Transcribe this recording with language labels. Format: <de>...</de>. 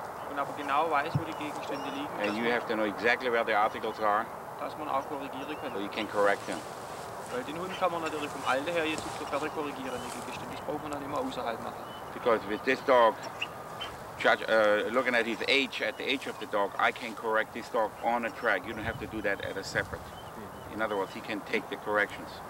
<de>Und aber genau weiß, wo die Gegenstände liegen.</de> <en>And you have to know exactly where the articles are.</en> <de>Dass man auch korrigieren kann.</de> <en>So you can correct them.</en> <de>Weil den Hund kann man natürlich vom Alter her jetzt nicht so besser korrigieren. Die Gegenstände, das braucht man dann immer außerhalb machen.</de> <en>Because with this dog, looking at his age, at the age of the dog, I can correct this dog on a track. You don't have to do that at a separate. In other words, he can take the corrections.</en>